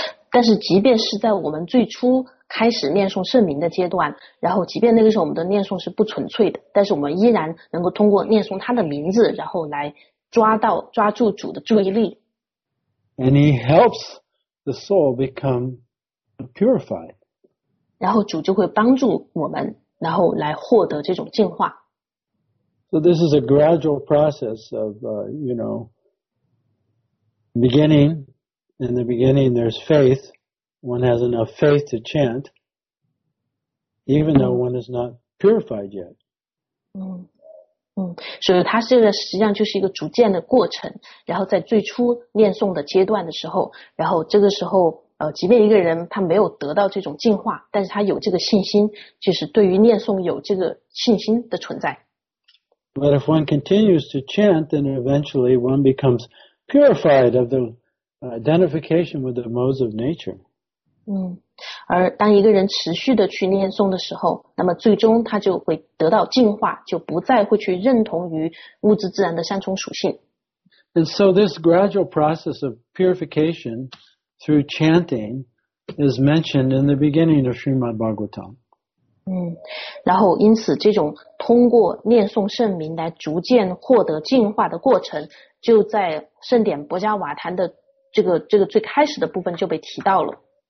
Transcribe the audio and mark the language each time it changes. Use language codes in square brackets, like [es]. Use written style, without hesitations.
[zh] 但是即便是在我们最初开始念诵圣名的阶段，然后即便那个时候我们的念诵是不纯粹的，但是我们依然能够通过念诵他的名字，然后来抓住主的注意力。 [en] And he helps the soul become purified. [zh] 然后主就会帮助我们，然后来获得这种净化。 [en] So this is a gradual process of, you know, beginning. In the beginning, there's faith. One has enough faith to chant, even though one is not purified yet. [zh] 所以它现在实际上就是一个逐渐的过程，然后在最初念诵的阶段的时候，然后这个时候即便一个人他没有得到这种净化，但是他有这个信心，就是对于念诵有这个信心的存在。 [en] But if one continues to chant, then eventually one becomes purified of the identification with the modes of nature. [zh] 而当一个人持续的去念诵的时候，那么最终他就会得到净化，就不再会去认同于物质自然的三重属性。 [en] And so this gradual process of purification through chanting is mentioned in the beginning of Srimad Bhagavatam. [zh] 然后因此这种通过念诵圣名来逐渐获得净化的过程，就在圣典薄伽瓦坛的这个最开始的部分就被提到了。